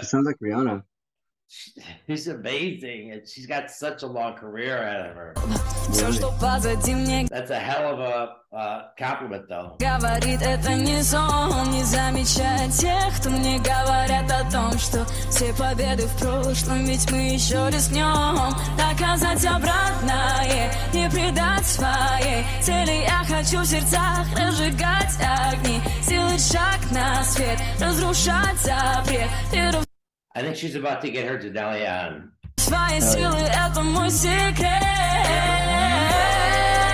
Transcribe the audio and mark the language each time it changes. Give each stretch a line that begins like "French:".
English: She sounds like Rihanna. She's amazing, and she's got such a long career ahead of her. Really? That's a hell of a compliment, though.
Russian: Все победы в прошлом, ведь мы еще рискнем доказать обратное, не предать своей цели. Я хочу в сердцах разжигать огни, сделать шаг на свет, разрушать запрет.
English: I think she's about to get her to Daneliya.
Russian: Свои силы — это мой секрет.